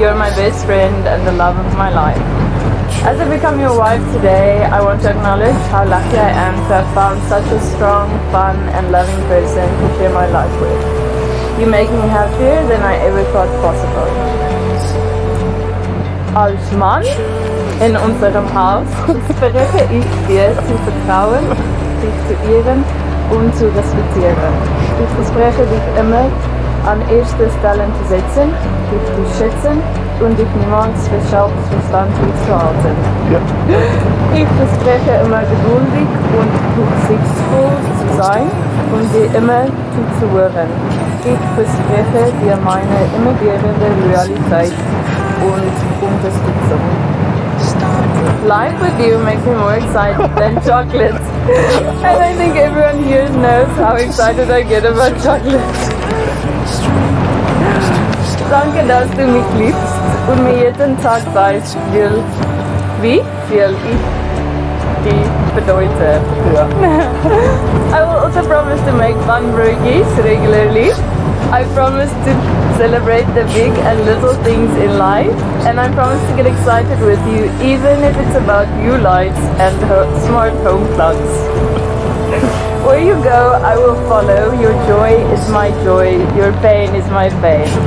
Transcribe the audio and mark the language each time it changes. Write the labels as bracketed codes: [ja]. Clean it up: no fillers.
[en] You're my best friend and the love of my life. As I become your wife today, I want to acknowledge how lucky I am to have found such a strong, fun and loving person to share my life with. You make me happier than I ever thought possible. [de] Als Mann in unserem Haus verspreche ich dir zu vertrauen, dich zu ehren und zu respektieren. Ich verspreche dich immer an erster Stelle zu setzen, dich zu schätzen und dich niemals für selbstverständlich zu halten. Ja. Ich verspreche immer geduldig und rücksichtsvoll zu sein und dir immer zuzuhören. Ich verspreche dir meine immerwährende Loyalität und Unterstützung. [en] life with you makes me more excited than chocolate. And I think everyone here knows how excited I get about chocolate. [de] Danke, dass du mich liebst und mir jeden Tag weißt, will, wie viel ich die bedeute. [en] I will also promise to make fun burgies regularly. I promise to celebrate the big and little things in life, and I promise to get excited with you even if it's about new lights and smart home plugs. Where you go, I will follow. Your joy is my joy, your pain is my pain.